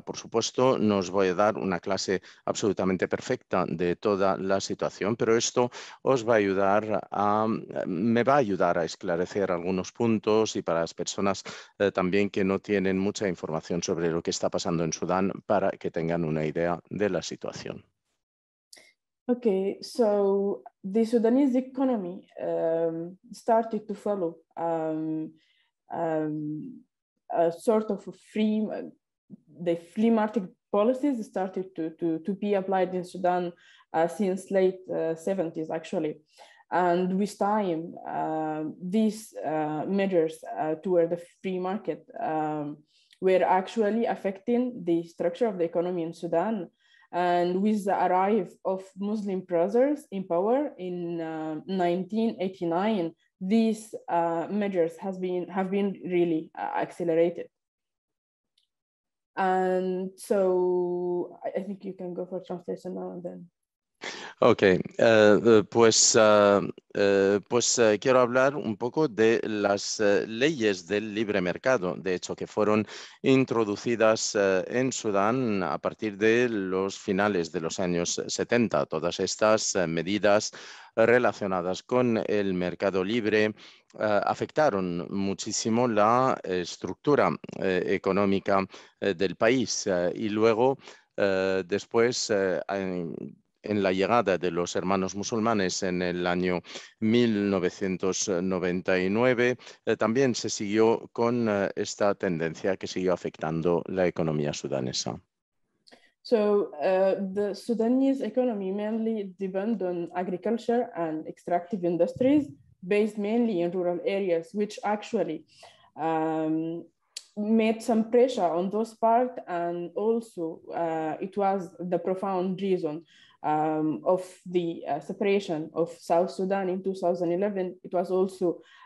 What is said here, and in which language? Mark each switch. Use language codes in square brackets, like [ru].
[es] Por supuesto, no os voy a dar una clase absolutamente perfecta de toda la situación, pero esto os va a ayudar a, me va a ayudar a esclarecer algunos puntos y para las personas también que no tienen mucha información sobre lo que está pasando en Sudán, para que tengan una idea de la situación. [en] Okay, so the Sudanese economy started to follow a sort of the free market policies started to be applied in Sudan since late 70s actually, and with time these measures toward the free market were actually affecting the structure of the economy in Sudan. And with the arrive of Muslim brothers in power in 1989, these measures have been really accelerated. And so I think you can go for translation now and then. [es] Okay, quiero hablar un poco de las leyes del libre mercado, de hecho, que fueron introducidas en Sudán a partir de los finales de los años 70. Todas estas medidas relacionadas con el mercado libre afectaron muchísimo la estructura económica del país. Y luego, después, en la llegada de los hermanos musulmanes en el año 1999, también se siguió con esta tendencia que siguió afectando la economía sudanesa. [en] So the Sudanese economy mainly depends on agriculture and extractive industries based mainly in rural areas, which actually made some pressure on those parts, and also it was the profound reason of the separation of South Sudan in 2011. It was also,